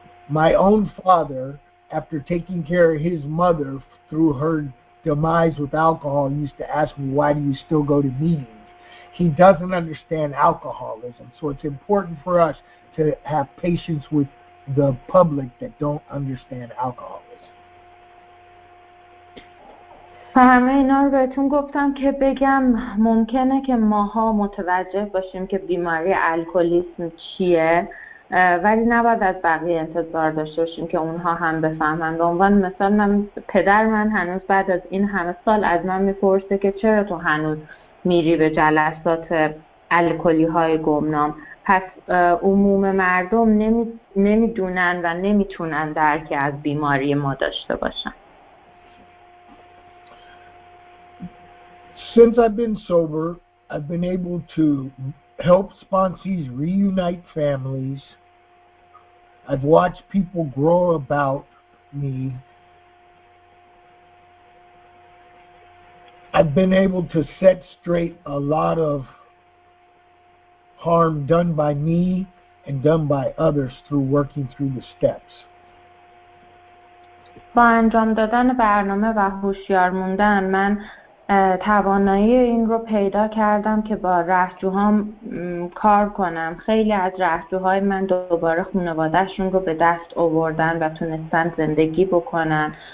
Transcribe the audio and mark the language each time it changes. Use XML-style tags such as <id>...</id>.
<en>My own father, after taking care of his mother through her demise with alcohol, used to ask me, why do you still go to meetings? He doesn't understand alcoholism. So it's important for us to have patience with the public that don't understand alcoholism.</en> <fa>همه اینا رو بهتون گفتم که بگم ممکنه که ماها متوجه باشیم که بیماری الکلیسم چیه، ولی نباید از بقیه انتظار داشته باشیم که اونها هم بفهمند. به عنوان مثال من، پدر من هنوز بعد از این همه سال از من میپرسه که چرا تو هنوز میری به جلسات الکلی های گمنام. پس عموم مردم نمیدونن و نمیتونن درکی از بیماری ما داشته باشن.</fa> <en>Since I've been sober, I've been able to help sponsees reunite families. I've watched people grow about me. I've been able to set straight a lot of harm done by me and done by others through working through the steps.</en> <fa>با انجام دادن برنامه و هوشیار موندن، من توانایی این رو پیدا کردم که با رهجوهام کار کنم. خیلی از رهجوهای من دوباره خانوادهشون رو به دست آوردن و تونستن زندگی بکنن.</fa>